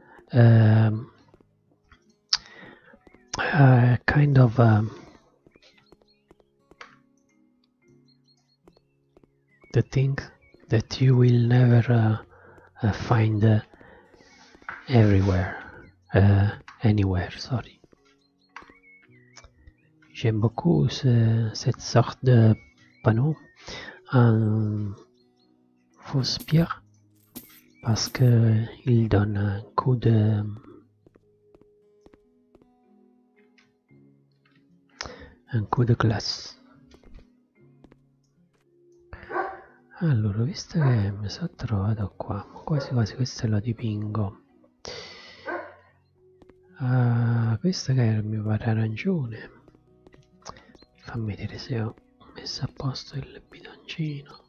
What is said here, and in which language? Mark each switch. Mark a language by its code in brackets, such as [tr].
[en] Kind of the thing that you will never find everywhere, anywhere, sorry. [fr] J'aime beaucoup cette sorte de panneau en fausse pierre parce que il donne un coup de classe. [it] Allora, visto che mi sono trovato qua, quasi quasi questo lo dipingo. Questo che era, mi pare arancione. Fammi vedere se ho messo a posto il bidoncino.